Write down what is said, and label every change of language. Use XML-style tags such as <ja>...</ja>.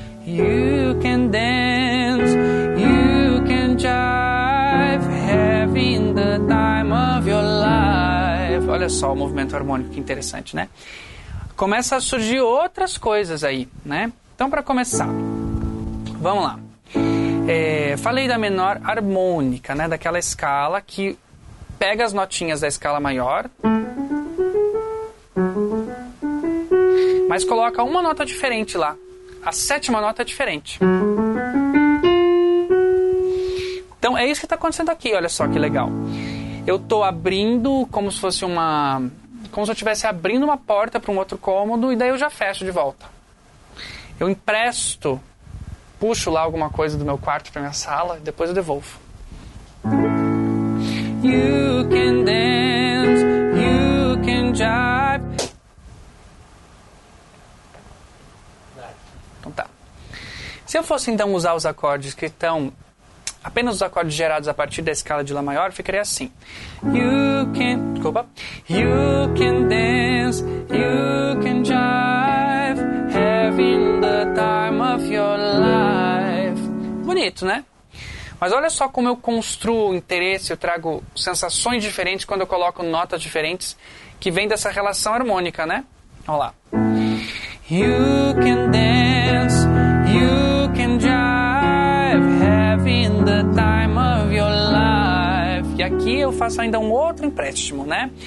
<en>You can dance, you can jive, having the time of your life.</en> <pt>Olha só o movimento harmônico, que interessante, né? Começa a surgir outras coisas aí, né? Então, para começar, vamos lá. Falei da menor harmônica, né? Daquela escala que pega as notinhas da escala maior, mas coloca uma nota diferente lá. A sétima nota é diferente. Então, é isso que está acontecendo aqui. Olha só que legal. Eu estou abrindo como se fosse uma... como se eu estivesse abrindo uma porta para um outro cômodo e daí eu já fecho de volta. Eu empresto, puxo lá alguma coisa do meu quarto para minha sala e depois eu devolvo.</pt> <en>You can dance, you can jive.</en> <pt>Então tá. Se eu fosse então usar os acordes que estão... apenas os acordes gerados a partir da escala de Lá maior, ficaria assim.</pt> <en>You can...</en> <pt>desculpa.</pt> <en>You can dance, you can jive, having the time of your life.</en> <pt>Bonito, né? Mas olha só como eu construo interesse, eu trago sensações diferentes quando eu coloco notas diferentes que vêm dessa relação harmônica, né? Olha lá.</pt> <en>You can dance, you can jive, having the time of your life.</en> <pt>E aqui eu faço ainda um outro empréstimo, né?</pt>